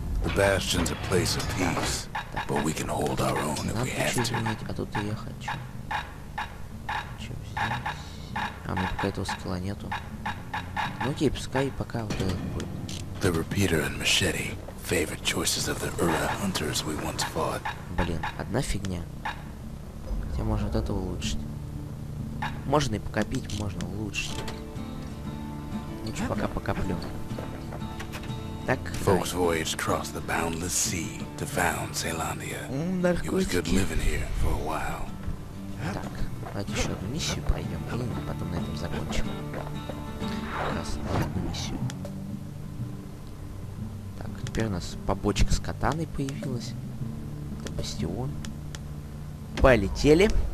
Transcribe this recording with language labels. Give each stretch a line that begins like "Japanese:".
English: The bastion's a place of peace, but we can hold our own if we have to.
Russian: А тут и я хочу. Чё, а мне пока этого скилла нету. Ну окей, пускай пока вот этот будет.
English: The repeater and machete, favorite choices of the Ura hunters we once fought.
Russian: Блин, одна фигня. Хотя можно вот это улучшить. Можно и покопить, можно улучшить. Лучше пока покоплю. Так,
English: folks voyaged across the boundless sea to found Ceylandia.
Russian: Наркотики.
English: It was good living here for a while.
Russian: Так, давайте еще одну миссию пройдем, блин, и потом на этом закончим. Красно, одну миссию. Так, теперь у нас побочка с катаной появилась. Это бастион. Полетели.